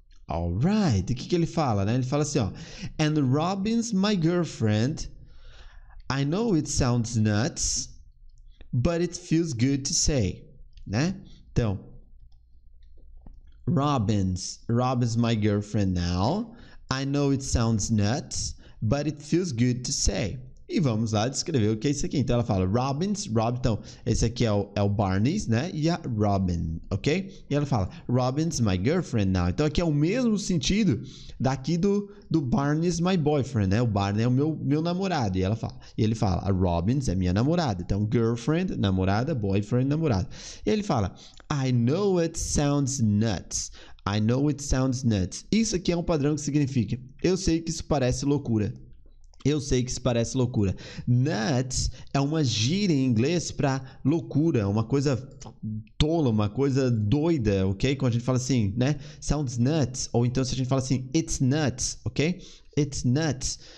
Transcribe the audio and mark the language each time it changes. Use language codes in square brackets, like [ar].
[en] Alright, [pt] o que ele fala, né? Ele fala assim, ó, [en] and Robin's my girlfriend, I know it sounds nuts, but it feels good to say, né? Então, Robin's my girlfriend now, I know it sounds nuts, but it feels good to say. [pt] E vamos lá descrever o que é isso aqui. Então, ela fala, então, esse aqui é o Barney's, né? E a Robin, ok? E ela fala, [en] Robin's my girlfriend now. [pt] Então, aqui é o mesmo sentido daqui do Barney's my boyfriend, né? O Barney é o meu namorado. E ele fala, a Robin's é minha namorada. Então, girlfriend, namorada, boyfriend, namorada. E ele fala, [en] I know it sounds nuts. I know it sounds nuts. [pt] Isso aqui é um padrão que significa, eu sei que isso parece loucura. Eu sei que isso parece loucura. Nuts é uma gíria em inglês para loucura, uma coisa tola, uma coisa doida, ok? Quando a gente fala assim, né? [en] Sounds nuts. [pt] Ou então se a gente fala assim, [en] it's nuts, [pt] ok? [en] It's nuts.